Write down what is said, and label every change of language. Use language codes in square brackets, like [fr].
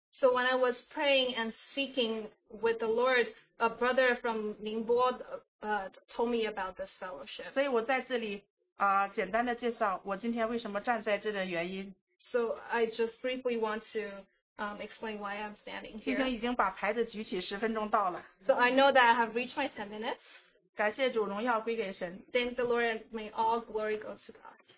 [en] So when I was praying and seeking with the Lord, a brother from Ningbo told me about this fellowship. [zh] 所以我在这里, 简单的介绍我今天为什么站在这的原因。 [en] So I just briefly want to explain why I'm standing here. [zh] 弟兄已经把牌子举起十分钟到了。 [en] So I know that I have reached my 10 minutes. [zh] 感谢主荣耀归给神。 [en] Thank the Lord and may all glory go to God.